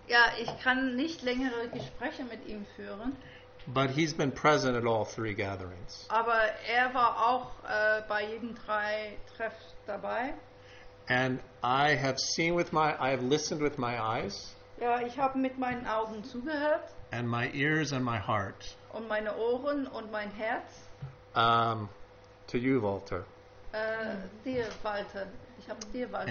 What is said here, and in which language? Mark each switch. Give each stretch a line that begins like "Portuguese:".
German: Ja, ich kann nicht längere Gespräche mit ihm führen.
English: But he's been present at all three gatherings.
German: Aber er war auch bei jedem drei Treff dabei.
English: And I have seen with my, I have listened with my eyes.
German: Ja, ich habe mit meinen Augen zugehört.
English: And my ears and my heart.
German: Und meine Ohren und mein Herz.
English: To you, Walter.
German: Dir, Walter. Ich habe dir, Walter.